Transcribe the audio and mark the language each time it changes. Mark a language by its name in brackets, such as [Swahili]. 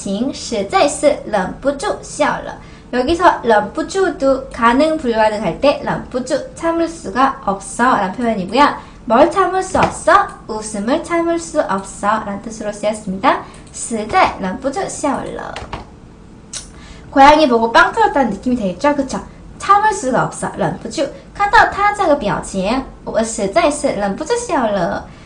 [Chinese] 看到他这个表情,实在是忍不住笑了. [Korean] 여기서, 忍不住도, 가능 불가능 할 때, 忍不住, 참을 수가 없어. 라는 표현이고요. 뭘 참을 수 없어? 웃음을 참을 수 없어. 라는 뜻으로 쓰였습니다. [Chinese] 实在忍不住笑了. [Korean] 고양이 보고 빵 터졌다는 느낌이 되겠죠? 그쵸? 참을 수가 없어. 忍不住. [Chinese] 看到他这个表情,我实在是忍不住笑了.